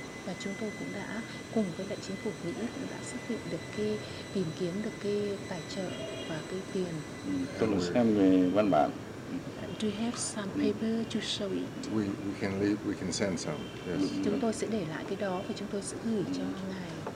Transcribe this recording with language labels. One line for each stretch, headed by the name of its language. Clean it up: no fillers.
Vietnamese: Và chúng tôi cũng đã cùng với đại chính phủ Mỹ cũng đã xác định được cái tìm kiếm được cái tài trợ và cái tiền. Tôi muốn xem về văn bản.
English: Do you have some paper to show it? We can leave. We can send some. Yes.
Vietnamese: Chúng tôi sẽ để lại cái đó và chúng tôi sẽ gửi cho ngài.